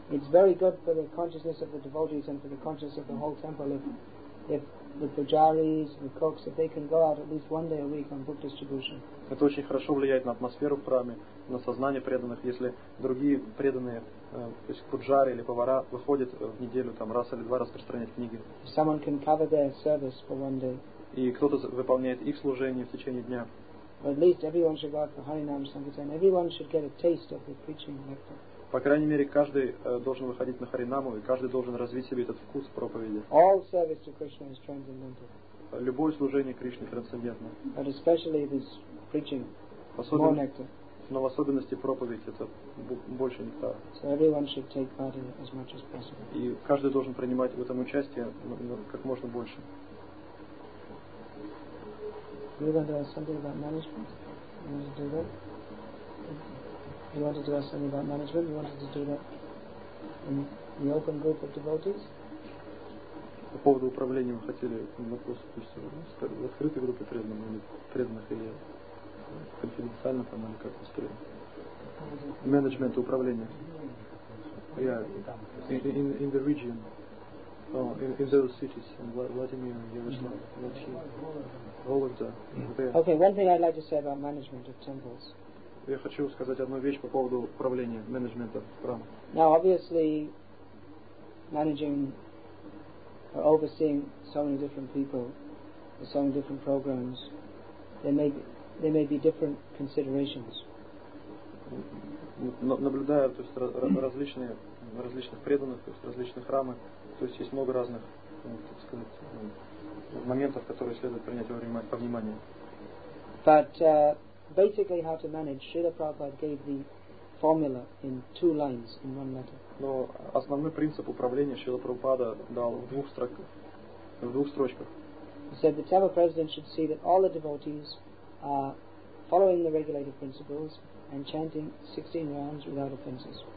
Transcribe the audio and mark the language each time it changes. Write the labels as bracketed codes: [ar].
[en] It's very good for the consciousness of the devotees and for the consciousness of the whole temple if the pujaris, the cooks, if they can go out at least one day a week on book distribution. [ru] Это очень хорошо влияет на атмосферу в храме, на сознание преданных, если другие преданные, то есть пуджары или повара, выходят в неделю там раз или два распространять книги. [en] If someone can cover their service for one day. [ru] И кто-то выполняет их служение в течение дня. [en] At least everyone should go out for Harinam Sankirtan. Everyone should get a taste of the preaching nectar. [ru] По крайней мере, каждый должен выходить на Харинаму, и каждый должен развить себе этот вкус проповеди. [en] All service to Krishna is transcendental. [ru] Любое служение Кришне трансцендентно. [en] But especially this preaching, more nectar. [ru] Но в особенности проповедь это больше нектара. [en] So everyone should take part in it as much as possible. [ru] И каждый должен принимать в этом участие как можно больше. [en] You want to ask something about management? You want to do that? You want to ask something about management? You wanted to do that in the open group of devotees? [ru] По поводу управления мы хотели вопрос, допустим, в открытой группе преданных или преданных или конфиденциально там или как-то скрыто. [en] Management, управление. Yeah, in the region. Oh, in those cities, in Vladimir, Yaroslav, all of them. Okay, one thing I'd like to say about management of temples. [ru] Я хочу сказать одну вещь по поводу управления менеджмента храма. [en] Now, obviously, managing or overseeing so many different people, so many different programs, there may be different considerations. [ru] Наблюдая, то есть различных преданных, то есть различных храмов. То есть есть много разных, так сказать, моментов, которые следует принять во время по внимание. [en] But basically how to manage, Srila Prabhupada gave the formula in two lines in one letter. [ru] Но основной принцип управления Шрила Прабхупада дал в двух строках, в двух строчках. [en] He said the temple president should see that all the devotees are following the regulative principles and chanting 16 rounds without offenses.